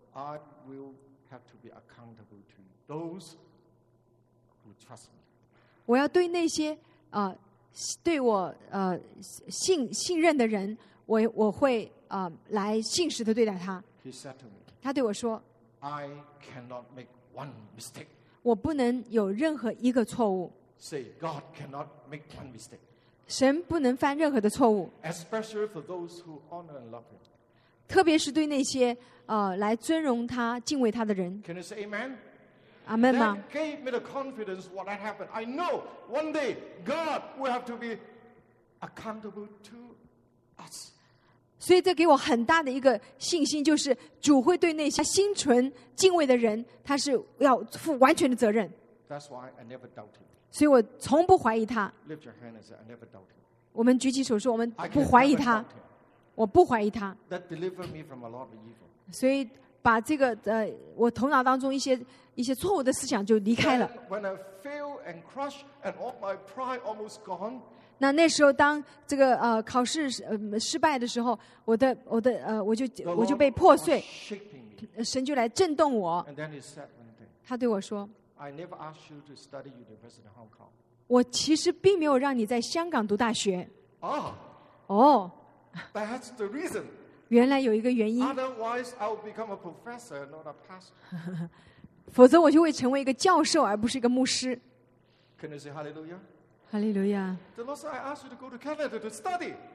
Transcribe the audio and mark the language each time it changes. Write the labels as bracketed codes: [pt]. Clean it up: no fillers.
[en] I will have to be accountable to those who trust me. [zh] 我要对那些对我信任的人，我会来信实的对待他。 [en] He said to me, [zh] 他对我说 [en] ，I cannot make one mistake. [zh] 我不能有任何一个错误。 [en] Say God cannot make one mistake. [zh] 神不能犯任何的错误。 [en] Especially for those who honor and love Him. [zh] 特别是对那些来尊荣他、敬畏他的人。 [en] Can you say Amen? Amen. That gave me the confidence what had happened. I know one day God will have to be accountable to us. [zh] 所以这给我很大的一个信心，就是主会对那些心存敬畏的人，他是要负完全的责任。 [en] That's why I never doubt him. [zh] 所以我从不怀疑他。 [en] Lift your hand and say, I never doubt him. [zh] 我们举起手说，我们不怀疑他。我不怀疑他。 [en] That delivered me from a lot of evil. [zh] 所以把这个我头脑当中一些错误的思想就离开了。 [en] When I fail and crush and all my pride almost gone. [zh] 那时候当这个考试失败的时候，我就被破碎，神就来震动我。他对我说， [en] I never asked you to study university in Hong Kong. [zh] 我其实并没有让你在香港读大学。 [en] That's the reason. [zh] 原来有一个原因。 [en] Otherwise, I would become a professor, not a pastor. [zh] 否则我就会成为一个教授，而不是一个牧师。 [en] Can you say hallelujah? [zh] 哈利路亚。 [en] The Lord said, "I asked you to go to Canada to study."